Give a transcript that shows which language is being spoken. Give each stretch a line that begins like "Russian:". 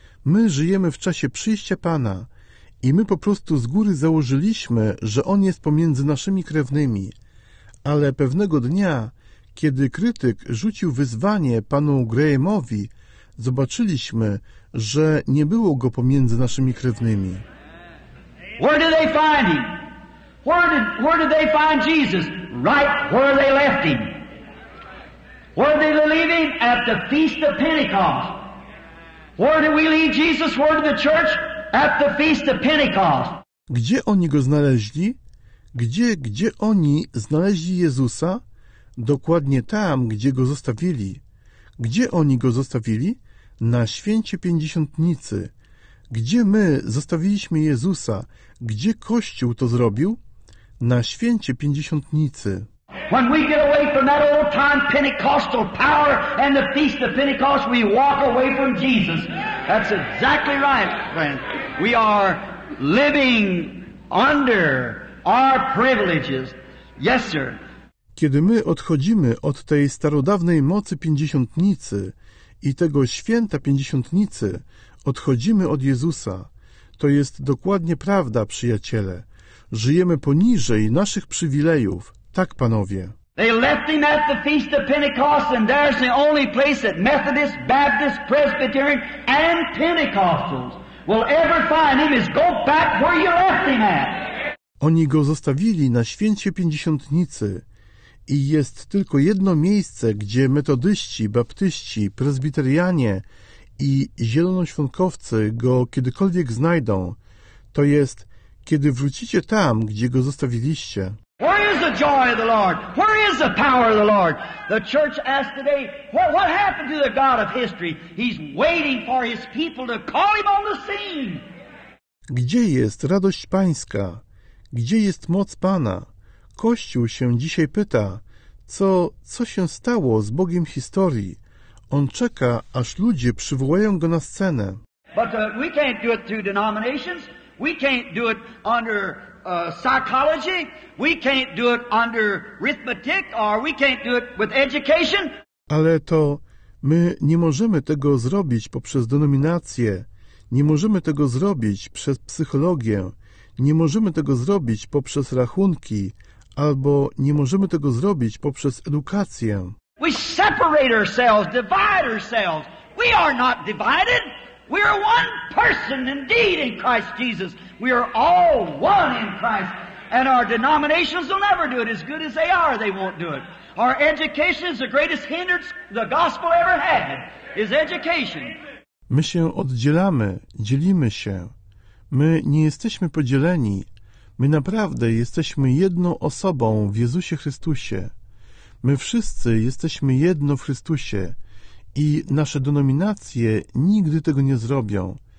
Polish: My żyjemy w czasie przyjścia Pana i my po prostu z góry założyliśmy, że On jest pomiędzy naszymi krewnymi. Ale pewnego dnia, kiedy krytyk rzucił wyzwanie Panu Grahamowi, zobaczyliśmy, że nie było Go pomiędzy naszymi krewnymi.
English: Where did they find him? Where did they find Jesus? Right where they left him. Where did they leave him? At the feast of Pentecost. Where did we leave Jesus? Where did the church? At the feast of Pentecost.
Polish: Gdzie oni go znaleźli? Gdzie oni znaleźli Jezusa? Dokładnie tam, gdzie go zostawili. Gdzie oni go zostawili? Na święcie Pięćdziesiątnicy. Gdzie my zostawiliśmy Jezusa? Gdzie Kościół to zrobił? Na święcie Pięćdziesiątnicy.
English: When we get away from that old time Pentecostal power and the feast of Pentecost, we walk away from Jesus. That's exactly right, friend. We are living under our privileges. Yes, sir.
Polish: Kiedy my odchodzimy od tej starodawnej mocy Pięćdziesiątnicy i tego święta Pięćdziesiątnicy, odchodzimy od Jezusa. To jest dokładnie prawda, przyjaciele. Żyjemy poniżej naszych przywilejów. Tak, panowie.
English: They left him at the feast of Pentecost, and there's the only place that Methodist, Baptist, Presbyterian, and Pentecostals will ever find him is go back where you left him at.
Polish: Oni go zostawili na święcie Pięćdziesiątnicy i jest tylko jedno miejsce, gdzie metodyści, baptyści, prezbiterianie i zielonoświątkowcy go kiedykolwiek znajdą. To jest kiedy wrócicie tam, gdzie go zostawiliście.
English: Where is the joy of the Lord? Where is the power of the Lord? The church asks today, what happened to the God of history? He's waiting for his people to call him on the scene.
Polish: Gdzie jest radość Pańska? Gdzie jest moc Pana? Kościół się dzisiaj pyta, co się stało z Bogiem historii? On czeka, aż ludzie przywołają go na scenę.
English: But we can't do it through denominations. We can't do it under psychology. We can't do it under arithmetic, or we can't do it with education.
Polish: Ale to my nie możemy tego zrobić poprzez denominację. Nie możemy tego zrobić przez psychologię. Nie możemy tego zrobić poprzez rachunki, albo nie możemy tego zrobić poprzez edukację.
English: We separate ourselves, divide ourselves. We are not divided. We are one person indeed in Christ Jesus. We are all one in Christ. And our denominations will never do it. As good as they are, they won't do it. Our education is the greatest hindrance the gospel ever had. Is education.
Polish: My się oddzielamy, dzielimy się. My nie jesteśmy podzieleni. My naprawdę jesteśmy jedną osobą w Jezusie Chrystusie. My wszyscy jesteśmy jedno w Chrystusie. I nasze denominacje nigdy tego nie zrobią.